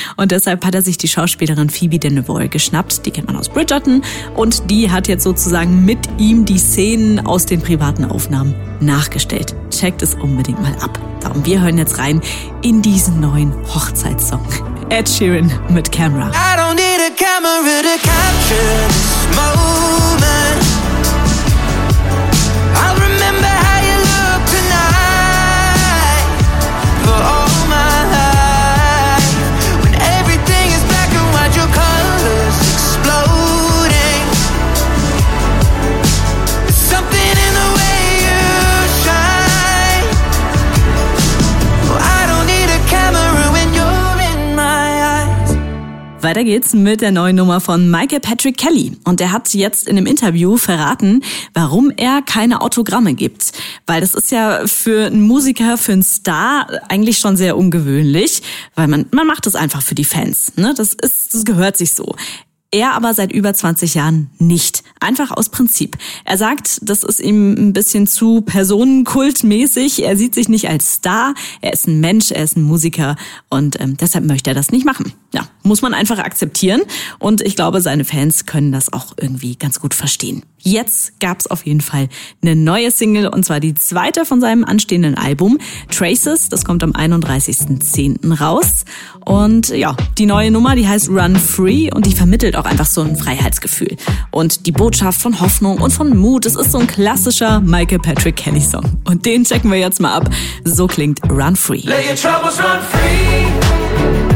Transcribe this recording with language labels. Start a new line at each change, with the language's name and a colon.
German: Und deshalb hat er sich die Schauspielerin Phoebe Denevoy geschnappt, die kennt man aus Bridgerton. Und die hat jetzt sozusagen mit ihm die Szenen aus den privaten Aufnahmen nachgestellt. Checkt es unbedingt mal ab. Und wir hören jetzt rein in diesen neuen Hochzeitssong. Ed Sheeran mit Camera.
English: I don't need a camera to capture this moment. I'll remember how you look tonight for all my life. When everything is black and white, your colors exploding. There's something in the way you shine. Well, I don't need a camera when you're in my eyes.
German: Weiter geht's mit der neuen Nummer von Michael Patrick Kelly. Und er hat jetzt in einem Interview verraten, warum er keine Autogramme gibt. Weil das ist ja für einen Musiker, für einen Star eigentlich schon sehr ungewöhnlich. Weil man macht das einfach für die Fans. Ne? Das gehört sich so. Er aber seit über 20 Jahren nicht. Einfach aus Prinzip. Er sagt, das ist ihm ein bisschen zu personenkultmäßig. Er sieht sich nicht als Star. Er ist ein Mensch, er ist ein Musiker. Und deshalb möchte er das nicht machen. Ja, muss man einfach akzeptieren. Und ich glaube, seine Fans können das auch irgendwie ganz gut verstehen. Jetzt gab's auf jeden Fall eine neue Single. Und zwar die zweite von seinem anstehenden Album. Traces, das kommt am 31.10. raus. Und ja, die neue Nummer, die heißt Run Free. Und die vermittelt auch einfach so ein Freiheitsgefühl. Und die Botschaft von Hoffnung und von Mut, es ist so ein klassischer Michael Patrick Kelly Song. Und den checken wir jetzt mal ab. So klingt Run Free.
English: Let your troubles run free.